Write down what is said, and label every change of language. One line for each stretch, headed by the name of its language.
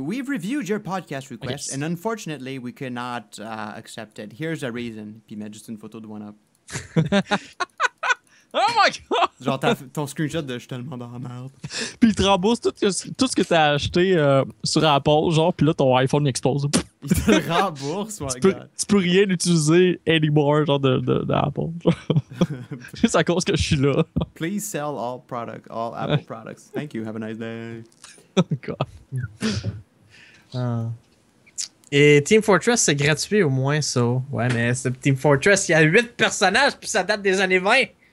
English: We've reviewed your podcast request and unfortunately we cannot accept it. Here's the reason.
French: Puis mets juste une photo de One Up.
English: Oh my god!
French: Genre ton screenshot de « Je suis tellement dans la merde ». Puis il te rembourse tout ce que t'as acheté sur Apple, genre, puis là ton iPhone explose. Il te le rembourse,
English: my god.
French: Tu peux rien utiliser anymore, genre, d'Apple. Juste à cause que je suis là.
English: Please sell all Apple products. Thank you, have a nice day. Oh god.
French: Et Team Fortress, c'est gratuit au moins, ça. Ouais, mais c'est Team Fortress, il y a 8 personnages, puis ça date des années 20.